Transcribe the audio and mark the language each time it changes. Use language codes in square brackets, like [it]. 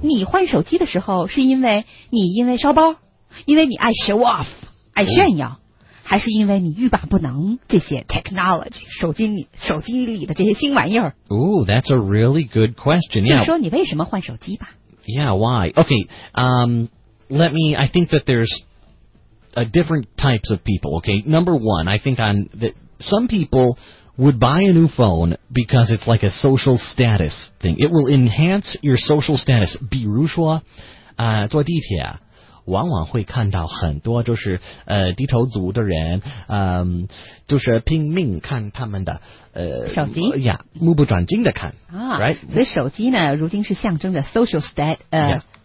[zh] 你换手机的时候，是因为你因为烧包，因为你爱 show off，爱炫耀。还是因为你欲罢不能这些 technology 手机里的这些新玩意儿。 [en] Ooh, that's a really good question. Yeah. [zh] 就说你为什么换手机吧。 [en] Yeah, why? Okay. I think that there's a different types of people. Okay. Number one, I think on that some people would buy a new phone because it's like a social status thing. It will enhance your social status. 比如说，坐地铁。 [zh] 往往会看到很多就是低头族的人，就是拼命看他们的手机呀，目不转睛的看啊。 [en] Right? [zh] 所以手机呢，如今是象征着 social status。